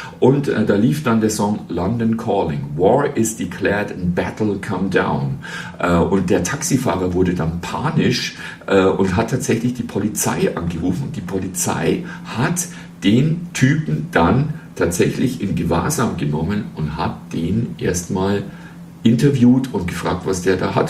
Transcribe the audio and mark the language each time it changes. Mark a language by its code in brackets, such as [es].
[de] Und da lief dann der Song London Calling. [en] War is declared and battle come down. [de] Und der Taxifahrer wurde dann panisch und hat tatsächlich die Polizei angerufen. Und die Polizei hat den Typen dann tatsächlich in Gewahrsam genommen und hat den erstmal interviewt und gefragt, was der da hat.